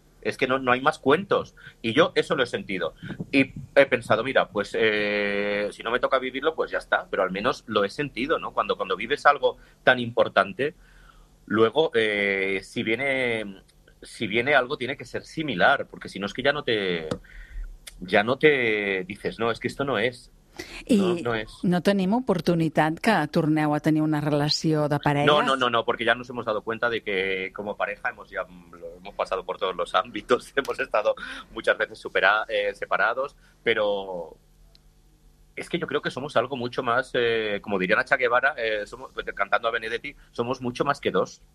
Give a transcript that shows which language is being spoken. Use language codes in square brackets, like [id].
[es] Es que no hay más cuentos. Y yo eso lo he sentido. Y he pensado, mira, pues si no me toca vivirlo, pues ya está. Pero al menos lo he sentido, ¿no? Cuando vives algo tan importante, luego, si viene algo, tiene que ser similar. Porque si no, es que ya no te dices, no, es que esto no es. [ca] I no tenim oportunitat que torneu a tenir una relació de parella? [es] No, porque ya nos hemos dado cuenta de que como pareja hemos pasado por todos los ámbitos, hemos estado muchas veces separados, pero es que yo creo que somos algo mucho más, como diría Nacha Guevara, cantando a Benedetti, somos mucho más que dos.